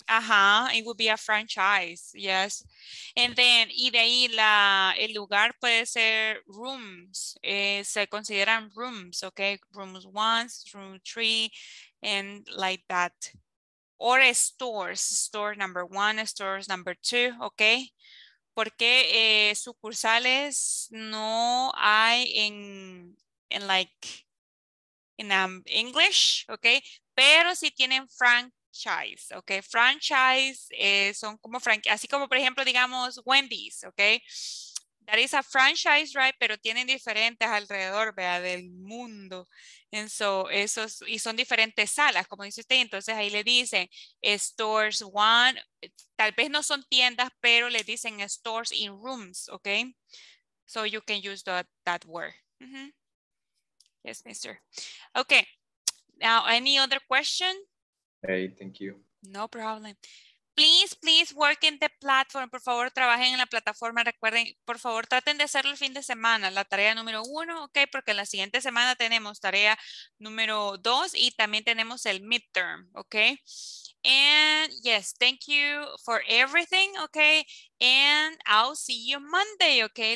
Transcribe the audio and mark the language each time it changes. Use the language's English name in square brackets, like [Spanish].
[English] Ajá, it would be a franchise, yes. And then, [Spanish] y de ahí la, el lugar puede ser rooms. Se consideran rooms, ok. [English] Rooms one, room three, and like that. Or stores, store number one, stores number two, ok. [Spanish] Porque sucursales no hay en [English] like in English, [Spanish] ok. Pero sí tienen franchise, ok. Franchise son como franquicias, así como por ejemplo, digamos, Wendy's, ok. [English] That is a franchise, right? [Spanish] Pero tienen diferentes alrededor, vea, del mundo. [English] And so, [Spanish] esos, y son diferentes salas, como dice usted. Entonces ahí le dicen stores one. Tal vez no son tiendas, pero le dicen [English] stores in rooms, [Spanish] ¿ok? [English] So you can use that word. Mm-hmm. Yes, mister. Ok. Now, any other question? Hey, thank you. No problem. Please work in the platform. [Spanish] Por favor, trabajen en la plataforma. Recuerden, por favor, traten de hacerlo el fin de semana. La tarea número uno, ok, porque en la siguiente semana tenemos tarea número dos y también tenemos el midterm, ok. [English] And yes, thank you for everything, ok. And I'll see you Monday, ok.